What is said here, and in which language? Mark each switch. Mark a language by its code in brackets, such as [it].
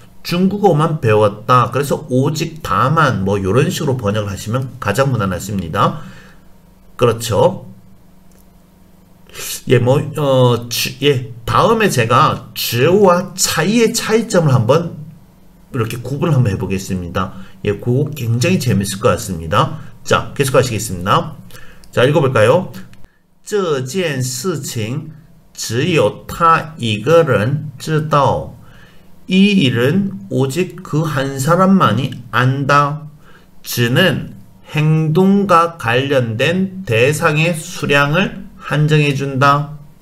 [ko] 중국어만 배웠다. 그래서 오직 다만 뭐 이런 식으로 번역을 하시면 가장 무난하십니다. 그렇죠. 예, 뭐, 예, 다음에 제가 주와 차이의 차이점을 한번 이렇게 구분을 한번 해보겠습니다. 예, 그거 굉장히 재밌을 것 같습니다. 자, 계속 하시겠습니다. 자, 읽어볼까요? [zh] 这件事情只有他一个人知道. [ko] 이 일은 오직 그 한 사람만이 안다. 只는 행동과 관련된 대상의 수량을 한정해준다.